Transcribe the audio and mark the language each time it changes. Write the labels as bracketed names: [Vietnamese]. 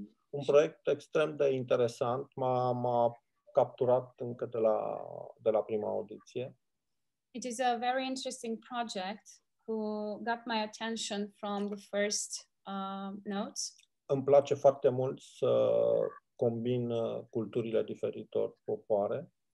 [Romanian] un proiect extrem de interesant, m-a capturat încă de la prima audiție. [English] It is a very interesting project who got my attention from the first notes. [Romanian] Îmi place foarte mult să combin culturile diferitor popoare.